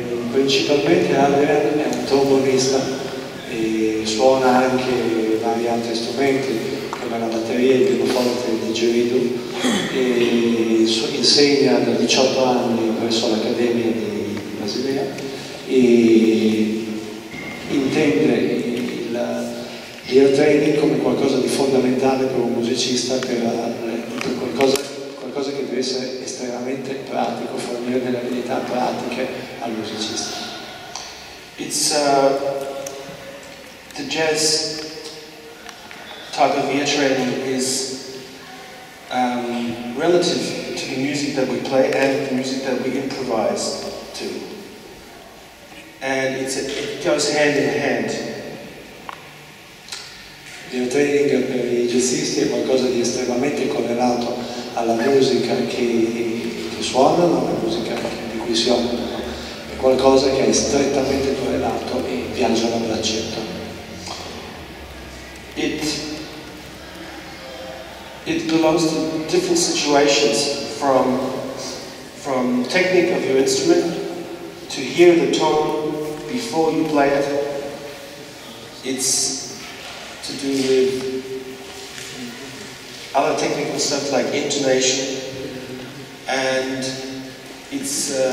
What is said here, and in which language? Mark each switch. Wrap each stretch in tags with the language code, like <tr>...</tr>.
<it>Principalmente Adrian è un trombonista e suona anche vari altri strumenti come la batteria, il pianoforte e il didgeridoo, e insegna da 18 anni presso l'Accademia di Basilea e intende l'ear training come qualcosa di fondamentale per un musicista, per qualcosa che deve essere estremamente pratico, fornire delle abilità pratiche al musicista.</it> <en>It's the jazz type of ear training is relative to the music that we play and the music that we improvise to, and it goes hand in hand.</en> <it>L'ear training per i jazzisti è qualcosa di estremamente correlato alla musica che suonano, alla musica di cui si occupano. Qualcosa che è strettamente correlato e viaggia da braccetto.</it> <en>It belongs to different situations from technique of your instrument to hear the tone before you play it. It's to do with other technical stuff like intonation, and it's</en>